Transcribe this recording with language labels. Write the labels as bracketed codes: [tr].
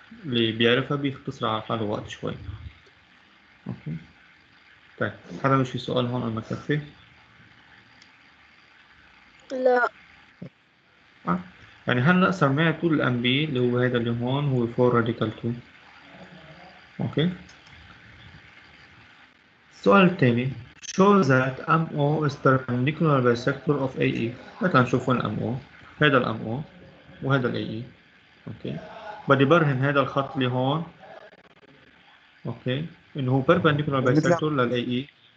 [ar] اللي بيعرفها بيختصر على الوقت شوية. اوكي طيب، حدا مش في سؤال هون على المكافي؟ لا يعني هلا سمعت كل الام بي اللي هو هذا اللي هون هو 4 راديكال 2. اوكي السؤال الثاني، [en] show that MO is perpendicular bisector of AE. [ar] هلا نشوف وين الام او، هذا الام او وهذا الاي اي. اوكي بدي برهن هذا الخط اللي هون، اوكي انه هو perpendicular bisector للاي اي.